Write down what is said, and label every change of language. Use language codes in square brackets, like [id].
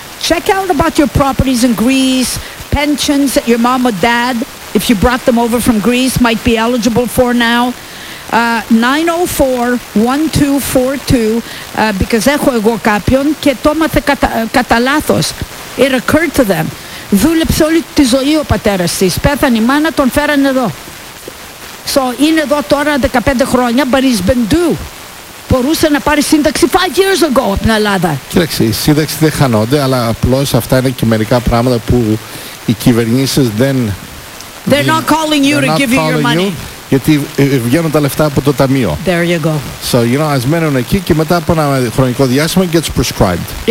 [en] Check out about your properties in Greece, pensions that your mom or dad, if you brought them over from Greece, might be eligible for now. [el] 904-1242, because έχω εγώ κάποιον και το έμαθε κατά λάθος. [en] It occurred to them. [el] Δούλεψε όλη τη ζωή ο πατέρας της. Πέθανε η μάνα, τον φέρανε εδώ. So, είναι εδώ τώρα 15 χρόνια, [en] but he's been due. [el] Μπορούσε να πάρει σύνταξη [en] 5 years ago [el] από την Ελλάδα. Κοίταξε, οι σύνταξοι δεν χανόνται, αλλά απλώς αυτά είναι και μερικά πράγματα που οι κυβερνήσεις δεν... [en] They're not calling you to give you your money. [el] Γιατί βγαίνουν τα λεφτά από το ταμείο. [en] There you go. So, you know, [el] ας μένουν εκεί και μετά από ένα χρονικό διάστημα [en] gets prescribed.